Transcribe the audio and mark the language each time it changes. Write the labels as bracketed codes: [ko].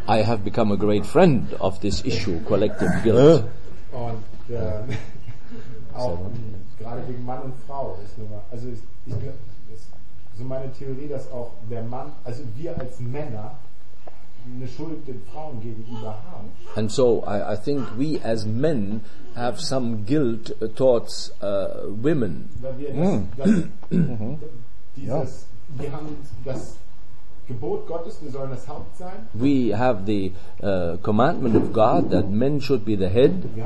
[en] I have become a great friend of this issue, collective guilt. [de] Und auch gerade wegen Mann und Frau ist nur mal, also ist Ich glaube, so meine Theorie, dass auch der Mann, also wir als Männer, eine Schuld den Frauen gegenüber haben. [en] And so I think we as men have some guilt towards women. [de] Weil wir wir haben das Gebot Gottes, wir sollen das Haupt sein. [en] We have the commandment of God that men should be the head.